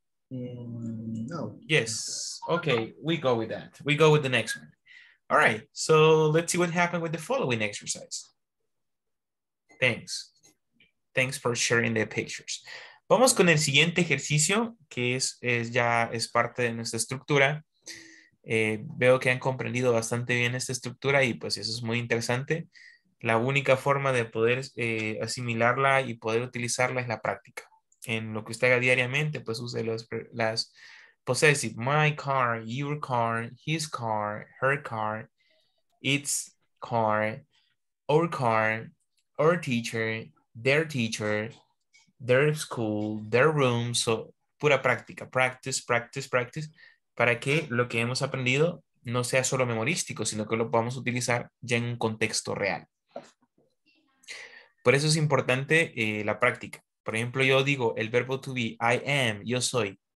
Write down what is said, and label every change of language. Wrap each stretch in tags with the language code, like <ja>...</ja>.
<en>No. Yes. Okay, we go with that. We go with the next one. All right, so let's see what happened with the following exercise. Thanks. Thanks for sharing the pictures.</en> <es>Vamos con el siguiente ejercicio, que es parte de nuestra estructura. Veo que han comprendido bastante bien esta estructura y pues eso es muy interesante. La única forma de poder asimilarla y poder utilizarla es la práctica. En lo que usted haga diariamente, pues use las possessive,</es> <en>my car, your car, his car, her car, its car, our teacher, their school, their room.</en> <es>So, pura práctica, practice, para que lo que hemos aprendido no sea solo memorístico, sino que lo podamos utilizar ya en un contexto real. Por eso es importante la práctica. Por ejemplo, yo digo el verbo to be,</es> <en>I am,</en> <es>yo soy.</es>